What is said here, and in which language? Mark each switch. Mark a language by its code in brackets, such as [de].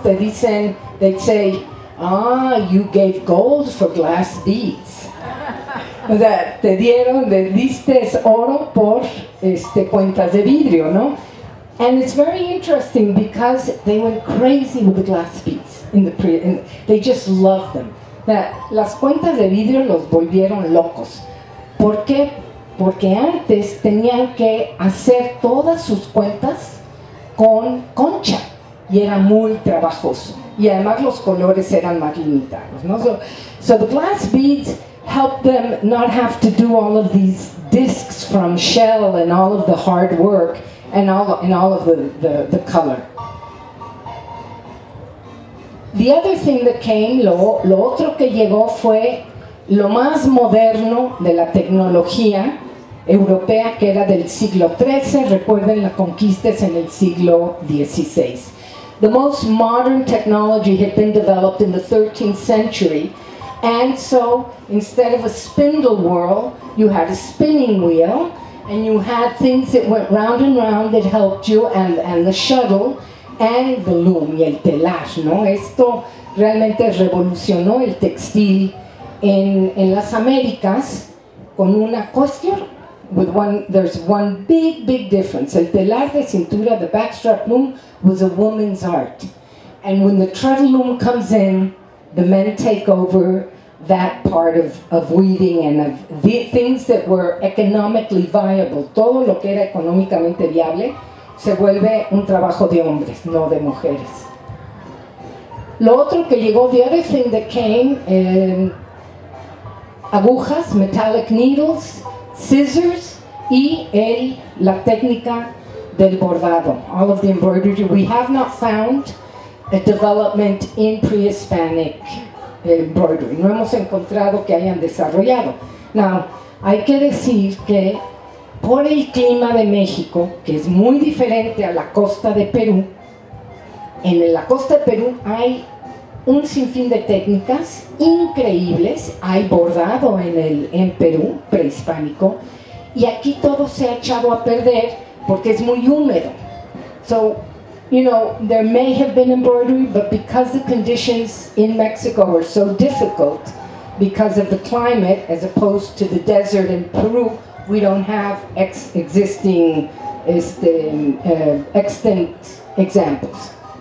[es] Te dicen, [en] they say, ah, you gave gold for glass beads. [es] O sea, te dieron, le diste oro por cuentas de vidrio, ¿no? [en] And it's very interesting because they went crazy with the glass beads. They just loved them. [es] Las cuentas de vidrio los volvieron locos. ¿Por qué? Porque antes tenían que hacer todas sus cuentas con concha y era muy trabajoso. Y además los colores eran más limitados, ¿no? [en] So the glass beads helped them not have to do all of these discs from shell and all of the hard work and all of the color. The other thing that came, [es] lo otro que llegó fue lo más moderno de la tecnología europea, que era del siglo XIII. Recuerden, la conquista es en el siglo XVI. [en] The most modern technology had been developed in the 13th century, and so instead of a spindle whirl, you had a spinning wheel, and you had things that went round and round that helped you, and the shuttle, and the loom, [es] y el telar, ¿no? Esto realmente revolucionó el textil en las Américas con una cuestión. [en] With one, there's one big difference. [es] El telar de cintura, [en] the backstrap loom, was a woman's art. And when the treadle loom comes in, the men take over that part of weaving and of the things that were economically viable. [es] Todo lo que era económicamente viable se vuelve un trabajo de hombres, no de mujeres. Lo otro que llegó, [en] the other thing that came, [es] agujas, [en] metallic needles, scissors, [es] y la técnica del bordado, [en] all of the embroidery. We have not found a development in pre-Hispanic embroidery. [es] No hemos encontrado que hayan desarrollado. Now, hay que decir que por el clima de México, que es muy diferente a la costa de Perú, en la costa de Perú hay un sinfín de técnicas increíbles. Hay bordado en Perú, prehispánico, y aquí todo se ha echado a perder porque es muy húmedo. [en] So, you know, there may have been embroidery, but because the conditions in Mexico are so difficult because of the climate as opposed to the desert in Peru, we don't have extant examples.